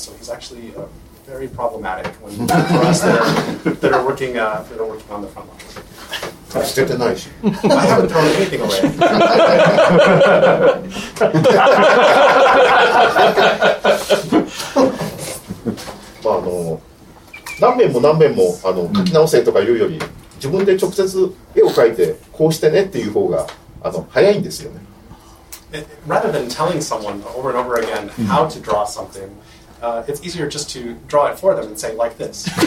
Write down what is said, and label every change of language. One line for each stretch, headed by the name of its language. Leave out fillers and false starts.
English: So he's actually very problematic when, for us that are working on the front line. That's good to know. I haven't thrown anything away.
Japanese: まあ、何遍も何遍も書き直せとかいうより、自分で直接絵を描いてこうしてねっていう方が早いんですよね。
English: Rather than telling someone over and over again how to draw something, it's easier just to draw it for them and say, like this.